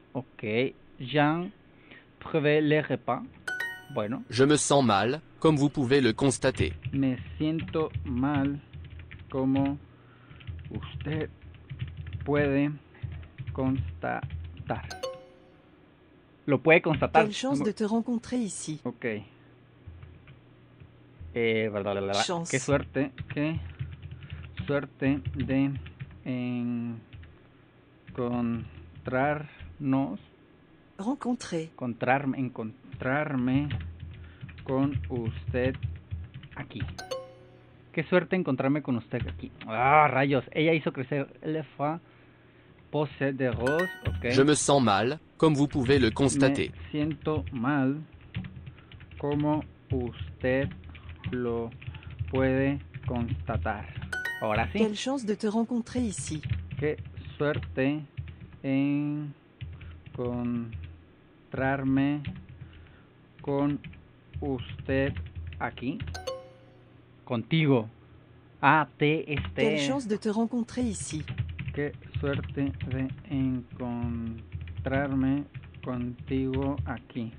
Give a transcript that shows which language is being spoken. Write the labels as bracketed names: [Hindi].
[French] Ok. J'en prévé les repas. [Spanish] Bueno. [French] Je me sens mal, comme vous pouvez le constater. [Spanish] Me siento mal, como usted puede constatar. Lo puede constatar. [French] Quelle chance de te rencontrer ici. Ok. [Spanish] Qué suerte. Qué suerte de encontrarnos. [French] Rencontrer. [Spanish] Encontrarme. Con usted aquí. Qué suerte encontrarme con usted aquí. Ah, rayos. Ella hizo crecer le fa pose de rose. Okay. [French] Je me sens mal, comme vous pouvez le constater. [Spanish] Me siento mal, como usted lo puede constatar. Ahora sí. [French] Quelle chance de te rencontrer ici. [Spanish] Qué suerte encontrarme con usted aquí. Contigo. [French] Quelle chance de te rencontrer ici. [Spanish] Qué suerte de encontrarme contigo aquí.